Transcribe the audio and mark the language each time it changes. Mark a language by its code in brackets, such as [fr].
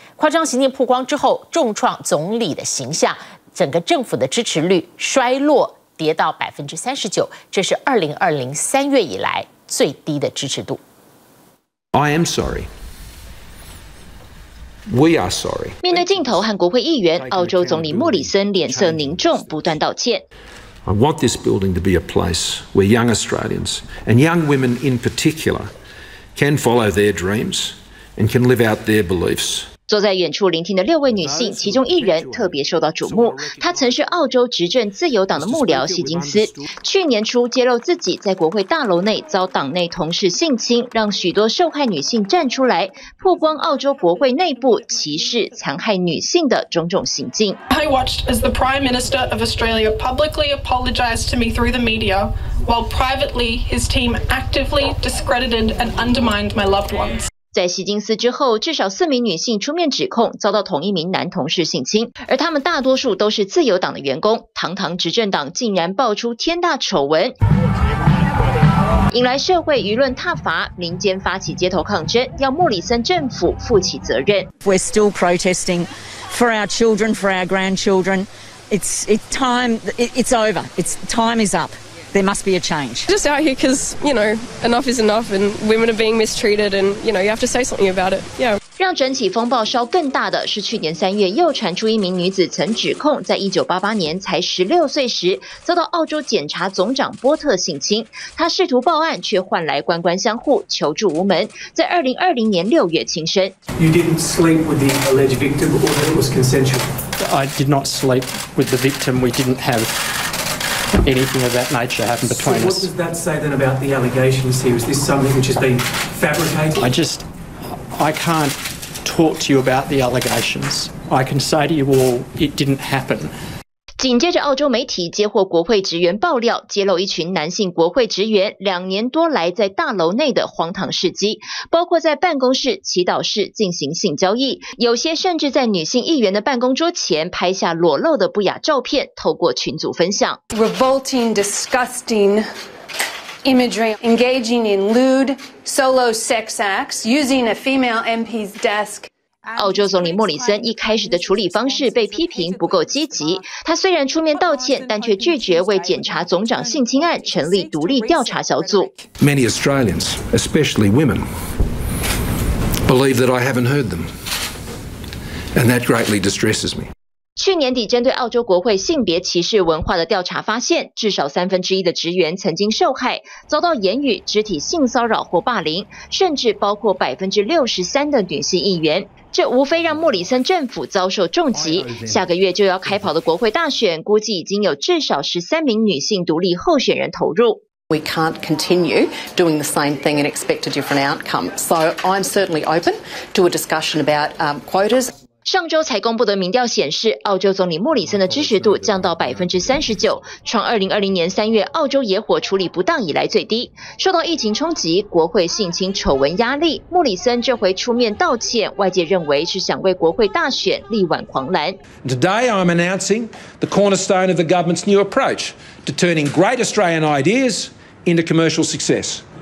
[zh] 夸张行径曝光之后，重创总理的形象，整个政府的支持率衰落跌到39%，这是2020年3月以来最低的支持度。 [en] I am sorry. We are sorry. [zh] 面对镜头和国会议员，澳洲总理莫里森脸色凝重，不断道歉。 [en] I want this building to be a place where young Australians and young women in particular can follow their dreams and can live out their beliefs. [zh] 坐在远处聆听的六位女性，其中一人特别受到瞩目，她曾是澳洲执政自由党的幕僚希金斯。去年初揭露自己在国会大楼内遭党内同事性侵，让许多受害女性站出来，曝光澳洲国会内部歧视、残害女性的种种行径。 [en] I watched as the Prime Minister of Australia publicly apologized to me through the media, while privately his team actively discredited and undermined my loved ones. [zh] 在希金斯之后，至少4名女性出面指控遭到同一名男同事性侵，而他们大多数都是自由党的员工，堂堂执政党竟然爆出天大丑闻，引来社会舆论挞伐，民间发起街头抗争，要莫里森政府负起责任。 [en] We're still protesting for our children, for our grandchildren. It's time. It's over. It's time is up. There must be a change. Just out here because, you know, enough is enough and women are being mistreated and, you know, you have to say something about it. Yeah. [zh] 让整体风暴烧更大的是去年三月又传出一名女子曾指控在1988年才16岁时遭到澳洲检察总长波特性侵，她试图报案却换来官官相护，求助无门，在2020年6月轻生。 [en] You didn't sleep with the alleged victim or that it was consensual? I did not sleep with the victim. We didn't haveanything of that nature happened between us. So what does that say then about the allegations here? Is this something which has been fabricated? I can't talk to you about the allegations. I can say to you all, it didn't happen. [zh] 紧接着澳洲媒体接获国会职员爆料，揭露一群男性国会职员两年多来在大楼内的荒唐事迹，包括在办公室、祈祷室进行性交易，有些甚至在女性议员的办公桌前拍下裸露的不雅照片，透过群组分享。 [en] Revolting, disgusting imagery, engaging in lewd solo sex acts, using a female MP's desk. [zh] 澳洲总理莫里森一开始的处理方式被批评不够积极，他虽然出面道歉，但却拒绝为检察总长性侵案成立独立调查小组。 [en] Many Australians, especially women, believe that I haven't heard them, and that greatly distresses me. [zh] 去年底针对澳洲国会性别歧视文化的调查发现，至少三分之一的职员曾经受害，遭到言语、肢体性骚扰或霸凌，甚至包括63%的女性议员。这无非让莫里森政府遭受重击。下个月就要开跑的国会大选，估计已经有至少13名女性独立候选人投入。 [en] We can't continue doing the same thing and expect a different outcome. So I'm certainly open to a discussion about quotas. [zh] 上周才公布的民调显示，澳洲总理莫里森的支持度降到 39%， 创2020年3月澳洲野火处理不当以来最低。受到疫情冲击、国会性侵丑闻压力，莫里森这回出面道歉，外界认为是想为国会大选力挽狂澜。 [en] Today I'm announcing the cornerstone of the government's new approach to turning great Australian ideas into commercial success.